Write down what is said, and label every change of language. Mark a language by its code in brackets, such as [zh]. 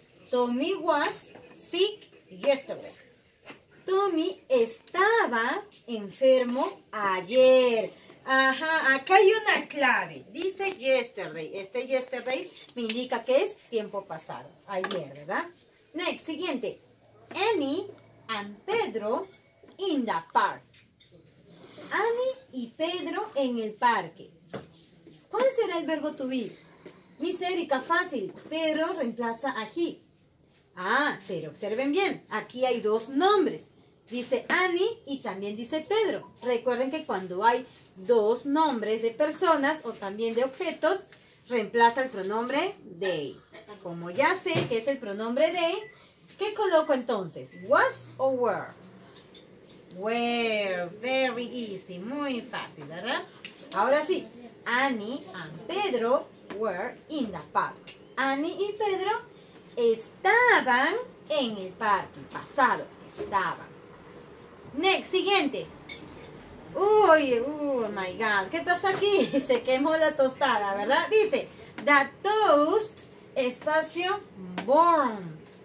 [en] Tommy was sick yesterday. [es] Tommy estaba enfermo ayer. Ajá, acá hay una clave. Dice yesterday. Este yesterday me indica que es tiempo pasado. Ayer, ¿verdad? [en] Next, [es] siguiente. [en] Annie and Pedro in the park. [es] Annie y Pedro en el parque. ¿Cuál será el verbo to be? Miss Erika, fácil. Pedro reemplaza a he. Ah, pero observen bien, aquí hay dos nombres. Dice Annie y también dice Pedro. Recuerden que cuando hay dos nombres de personas o también de objetos, reemplaza el pronombre they. como ya sé que es el pronombre de, ¿qué coloco entonces? ¿Was o were? [en] Were, very easy, [es] muy fácil, ¿verdad? Ahora sí, [en] Annie and Pedro were in the park. [es] Annie y Pedro estaban en el parque, pasado, estaban. [en] Next, [es] siguiente. [en] Uy, my God, [es] ¿qué pasó aquí? Se quemó la tostada, ¿verdad? Dice, [en] the toast, espacio, burned.